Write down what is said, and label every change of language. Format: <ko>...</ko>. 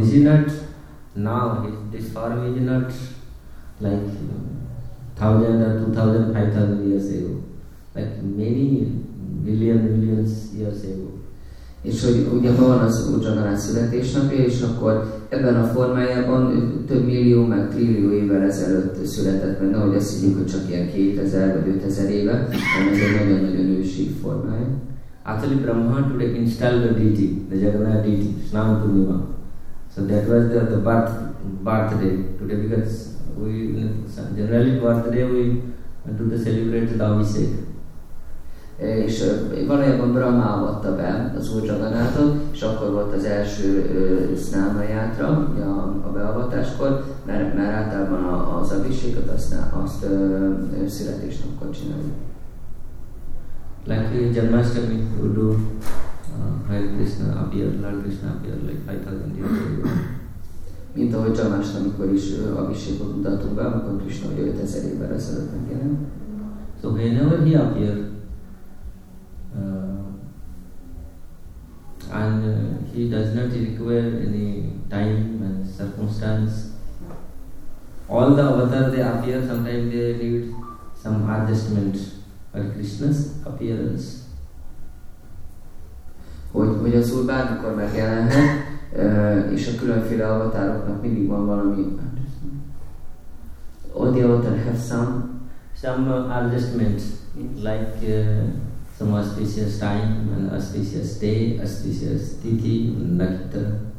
<en>This is not now, this form is not like 1,000 or 2,000, 5,000 years ago, like many billion, millions years ago.</en> <hu>És hogy ugye van az Jagannath születésnapja, és akkor ebben a formájában több millió, meg trillió évvel ezelőtt született, mert nehogy azt higgyük, hogy csak ilyen 2000 vagy 5000 éve, hanem ez egy nagyon-nagyon ősi formája.</hu> <en>Actually, Brahma today installed the deity, the Jagannath deity, Snam Purnima. So that was the birthday today, because we generally birthday we do the celebrate the Abhishek.</en> <hu>És valójában Brahma avatta be az Úr Jagannathot, és akkor volt az első Snáma játra a beavatáskor, mert általában az Abhishekot azt születésnapkor csináljuk.</hu> <en>Like in Janmashtami, we do Hare Krishna appear, Lord Krishna appear like 5,000 years ago.</en> <hu>Mint ahogy Janmashtamikor is Abhishekot mutatunk be, amikor Krishna 5,000 évvel ezelőtt megjelent.</hu> <en>So whenever he appeared, and he does not require any time and circumstance. All the avatars they appear, sometimes they need some adjustment. But Krishna's appearance.</en> <hu>Hogy az Úr bármikor megjelenhet, és a különféle avatároknak mindig van valami.</hu> <en>All the avatars have some adjustment, like some auspicious time, and auspicious day, auspicious tithi, nakita.</en>